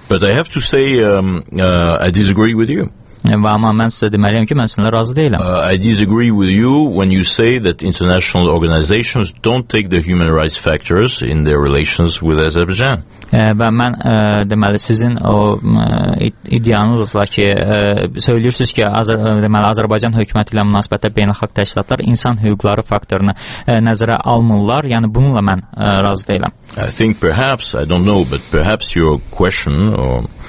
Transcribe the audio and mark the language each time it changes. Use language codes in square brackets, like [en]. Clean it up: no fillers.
[en] But I have to say I disagree with you. [az] Amma mən sizə deməliyəm ki, mən sizinlə razı deyiləm. [en] I disagree with you when you say that international organizations don't take the human rights factors in their relations with Azerbaijan. [az] Və mən deməli sizin o iddianızla ki, söyləyirsiniz ki, Azərbaycan hökuməti ilə münasibətdə beynəlxalq təşkilatlar insan hüquqları faktorunu nəzərə almırlar, yəni bununla mən razı deyiləm. [en] I think perhaps, I don't know, but perhaps your question or